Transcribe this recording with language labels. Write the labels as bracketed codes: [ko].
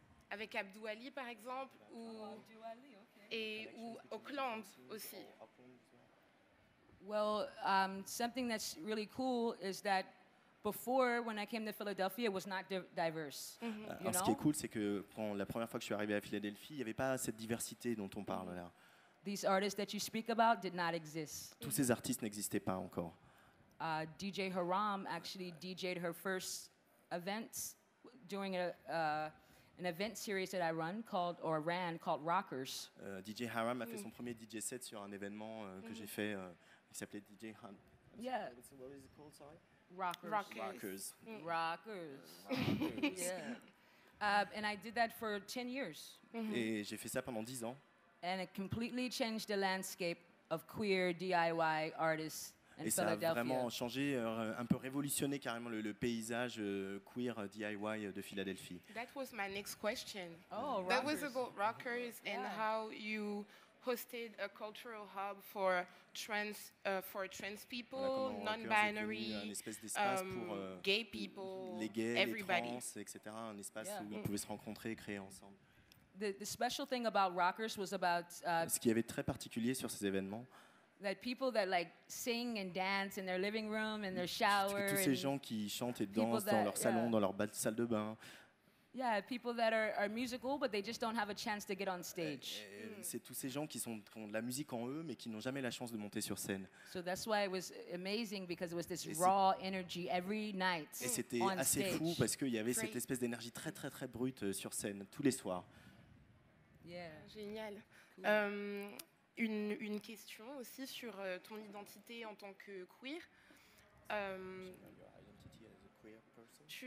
[fr] Avec Abdou Ali, par exemple, ou Oakland aussi. [en] Well, something that's really cool is that before, when I came to Philadelphia, it was not diverse. Mm-hmm. [fr] Alors, ce qui est cool, c'est que quand la première fois que je suis arrivé à Philadelphie, il n'y avait pas cette diversité dont on parle là. [en] These artists that you speak about did not exist. [fr] Tous mm-hmm. ces artistes n'existaient pas encore. [en] DJ Haram actually DJed her first events during an event series that I run called or ran called Rockers. [fr] DJ Haram a mm-hmm. fait son premier DJ set sur un événement que j'ai fait qui s'appelait DJ Haram. [en] Yeah. What was it called? Sorry. Rockers. Rockers. Rockers. Yeah. And I did that for 10 years. [fr] Mm-hmm. Et j'ai fait ça pendant 10 ans. [en] And it completely changed the landscape of queer DIY artists in [fr] et [en] Philadelphia. [fr] Et ça a vraiment changé, un peu révolutionné carrément le paysage queer DIY de Philadelphie. [en] That was my next question. Oh, that Rockers. That was about Rockers and yeah. how you hosted a cultural hub for trans people, non-binary, gay people, [fr] les gays, [en] everybody. [fr] Les trans, etc. Un espace yeah. où ils pouvaient se rencontrer et créer ensemble. [en] The special thing about Rockers was about [fr] ce qui avait très particulier sur ces événements, [en] that people that like sing and dance in their living room in their shower, [fr] tous ces gens qui chantent et dansent dans leur salon, yeah. dans leur salle de bain. [en] Yeah, people that are musical, but they just don't have a chance to get on stage. [fr] C'est tous ces gens qui ont de la musique en eux, mais qui n'ont jamais la chance de monter sur scène. [en] So that's why it was amazing because it was this raw energy every night on stage. [fr] Et c'était assez fou parce qu'il y avait cette espèce d'énergie très très très brute sur scène tous les soirs. [en] Yeah, [fr] génial. Cool. Une question aussi sur ton identité en tant que queer. [en] Your identity as a queer person.